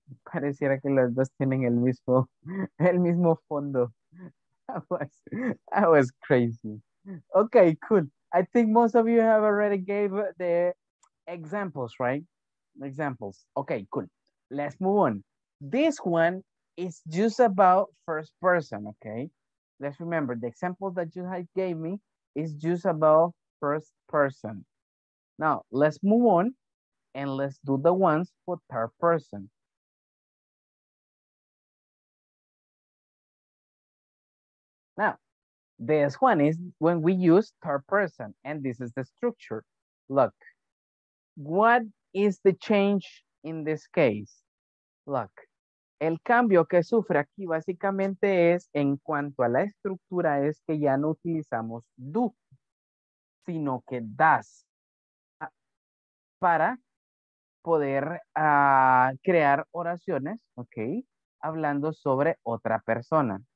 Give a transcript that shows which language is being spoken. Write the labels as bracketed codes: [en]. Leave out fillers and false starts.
[es] Pareciera que las dos tienen el mismo fondo. [en] That was crazy. Okay, cool. I think most of you have already gave the examples, right? Examples. Okay, cool. Let's move on. This one is just about first person, okay? Let's remember, the example that you had gave me is just about first person. Now, let's move on and let's do the ones for third person. Now, this one is when we use third person, and this is the structure. Look, what is the change in this case? [es] Look, el cambio que sufre aquí básicamente es en cuanto a la estructura es que ya no utilizamos do, sino que does para poder crear oraciones, okay, hablando sobre otra persona.